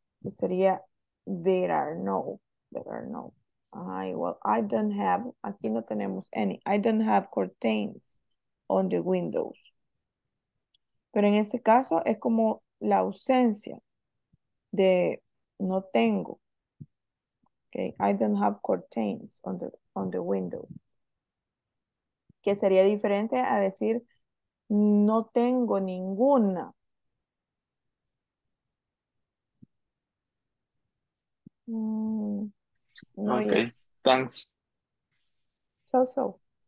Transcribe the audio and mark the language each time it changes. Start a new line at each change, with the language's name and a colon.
Spanish: Que sería
English: there are no. Well, I don't have,
Spanish: aquí no tenemos
English: any. I don't have curtains on the windows.
Spanish: Pero en este caso es como la ausencia de no tengo.
English: Okay, I don't have curtains on the window.
Spanish: Que sería diferente a decir no tengo ninguna.
English: No, okay, yes. Thanks. So.